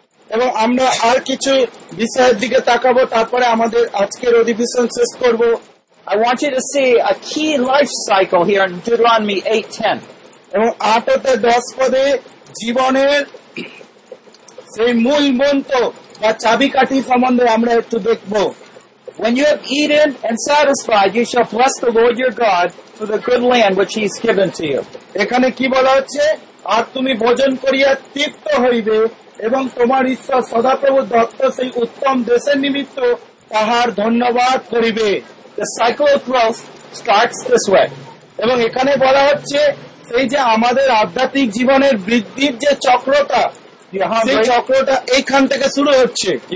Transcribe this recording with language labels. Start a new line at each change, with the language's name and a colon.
Bangla: এবং আমরা আর কিছু বিষয়ের দিকে তাকাবো তারপরে আমাদের আজকের অধিবেশন শেষ করবো।
English: I want you to see a key life cycle here in Deuteronomy 8:10.
Bangla: এবং 8:10 পদে জীবনের সেই মূল মন্ত্র বা চাবিকাঠি সম্বন্ধে আমরা একটু দেখব।
English: When you have eaten and satisfied, you shall bless the Lord your God for the good land which he has given to you.
Bangla: এখানে কি বলা হচ্ছে? আর তুমি ভোজন করিয়া তৃপ্ত হইবে এবং তোমার ঈশ্বর সদাপ্রভু দত্ত সেই উত্তম দেশের নিমিত্ত তাহার ধন্যবাদ করিবে।
English: The cycle of growth starts this way.
Bangla: এবং এখানে বলা হচ্ছে সেই যে আমাদের আধ্যাত্মিক জীবনের বৃদ্ধির যে চক্রটা সেই চক্রটা এইখান থেকে শুরু হচ্ছে।